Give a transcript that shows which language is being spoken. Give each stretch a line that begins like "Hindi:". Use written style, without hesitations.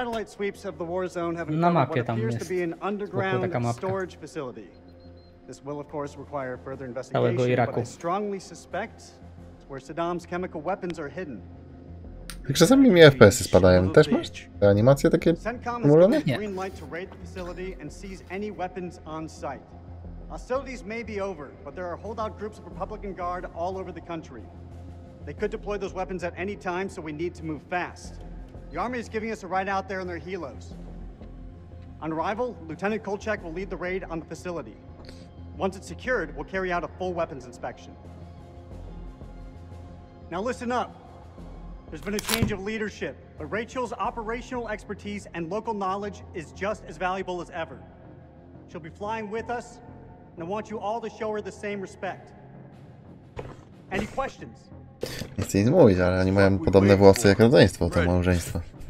English: Satellite sweeps of the war zone have uncovered what appears to be an underground storage facility. This will, of course, require further investigation. But I strongly suspect where Saddam's chemical weapons are hidden.
Polish: Czasami mi FPS-y spadają. Też masz te animacje takie? Umulone? Nie.
English: Green light to raid the facility and seize any weapons on site. Hostilities may be over, but there are holdout groups of Republican Guard all over the country. They could deploy those weapons at any time, so we need to move fast. The army is giving us a ride out there in their helos. On arrival, Lieutenant Kolchak will lead the raid on the facility. Once it's secured, we'll carry out a full weapons inspection. Now listen up. There's been a change of leadership, but Rachel's operational expertise and local knowledge is just as valuable as ever. She'll be flying with us, and I want you all to show her the same respect. Any questions?
Polish: Nie chcę nic mówić, ale oni mają podobne włosy jak rodzeństwo, to małżeństwo.